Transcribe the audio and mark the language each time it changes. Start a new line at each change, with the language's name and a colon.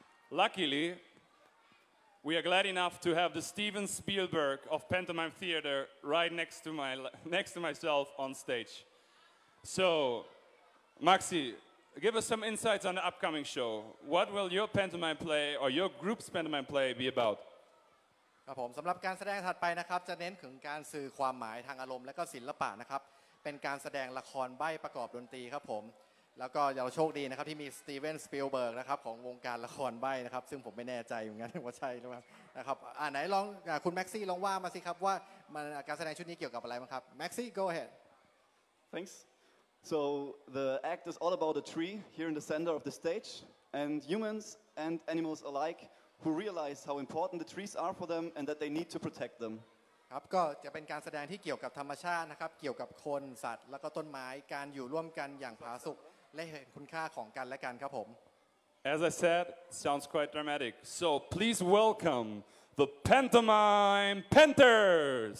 English: Luckily, we are glad enough to have the Steven Spielberg of pantomime theater right next to myself on stage. So, Maxi, give us some insights on the upcoming show. What will your pantomime play or your group's pantomime play be about?
Thai: ครับผมสำหรับการแสดงถัดไปนะครับจะเน้นถึงการสื่อความหมายทางอารมณ์และก็ศิลปะนะครับเป็นการแสดงละครใบ้ประกอบดนตรีครับผมแล้วก็เราโชคดีนะครับที่มีสตีเวนสปิลเบิร์กนะครับของวงการละครใบ้นะครับซึ่งผมไม่แน่ใจเหมือนกันว่าใช่หรือเปล่านะครับไหนลองคุณแม็กซี่ลองว่ามาสิครับว่ามันการแสดงชุดนี้เกี่ยวกับอะไรบ้างครับแม็กซี่
English: go ahead thanks so the act is all about a tree here in the center of the stage and humans and animals alikeWho realize how important the trees are for them and that they need to protect them.
Thai: ครับก็จะเป็นการแสดงที่เกี่ยวกับธรรมชาตินะครับเกี่ยวกับคนสัตว์แล้วก็ต้นไม้การอยู่ร่วมกันอย่างผาสุกและเห็นคุณค่าของกันและกันครับผม
English: As I said, sounds quite dramatic. So please welcome the Pantomime Panthers.